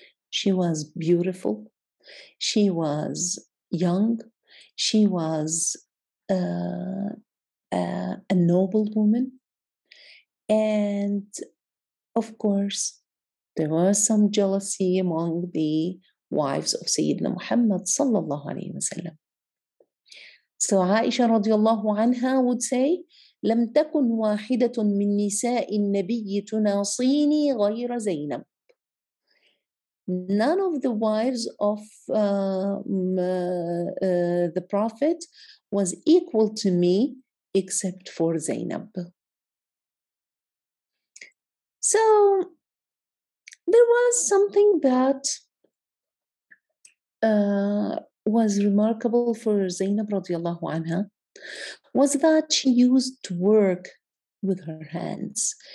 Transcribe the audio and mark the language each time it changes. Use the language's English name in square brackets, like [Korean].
[English] She was beautiful, she was young, she was a noble woman, and of course there was some jealousy among the wives of Sayyidina Muhammad sallallahu alayhi wa sallam. So Aisha radiallahu anha would say, [Arabic] لم تكن واحدة من نساء النبي تناصيني غير زينب. [English] None of the wives of the Prophet was equal to me except for Zainab. So there was something that was remarkable for Zainab radiallahu anha, was that she used to work with her hands.